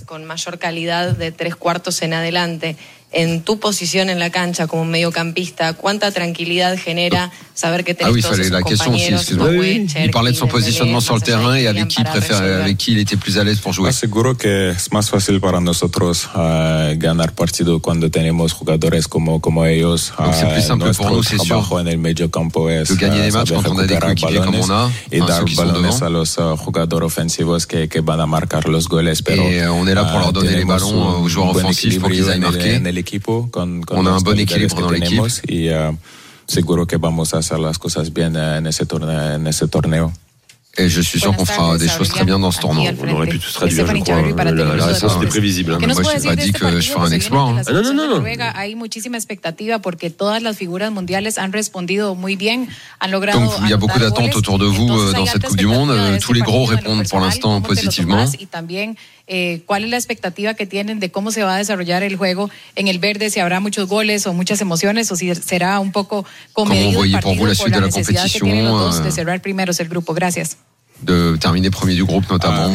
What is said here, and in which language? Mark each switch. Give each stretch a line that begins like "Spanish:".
Spanish: Con mayor calidad de tres cuartos en adelante. En tu posición en la cancha como mediocampista, ¿cuánta tranquilidad genera saber que tenés todos esos compañeros?
French: Ah oui, fallait la question aussi, excuse-moi. Il parlait de son positionnement sur le terrain et avec qui il était plus à l'aise pour jouer.
Spanish: Seguro que es más fácil para nosotros ganar partido cuando tenemos jugadores como ellos.
French: Donc c'est plus simple pour nous, c'est sûr,
Spanish: en el medio campo es,
French: de gagner des matchs quand on a des coéquipiers comme on a,
Spanish: et dar balones a los jugadores ofensivos que van a marcar los goles.
French: Et on est là pour leur donner les ballons aux joueurs offensifs pour qu'ils aillent marquer. L'équipe, on a un bon équilibre dans l'équipe.
Spanish: Et seguro que vamos a hacer las cosas bien en ese torneo.
French: Et je suis sûr qu'on fera des choses très bien dans ce tournoi. On aurait pu tout traduire, je crois. La réponse était prévisible. Hein. Moi, je n'ai pas dit que je ferais un exploit. Hein. Ah, non. Il y a beaucoup d'attentes parce que toutes les figures mondiales ont répondu très bien. Donc, il y a beaucoup d'attentes autour de vous dans cette Coupe du Monde. Tous les gros répondent pour l'instant positivement.
Spanish: ¿Cuál es la expectativa que tienen de cómo se va a desarrollar el juego en el verde? ¿Si habrá muchos goles o muchas emociones o si será un poco comedido el partido
French: por la suite de la compétition,
Spanish: de cerrar primeros el grupo? Gracias.
French: De terminer premier du groupe notamment.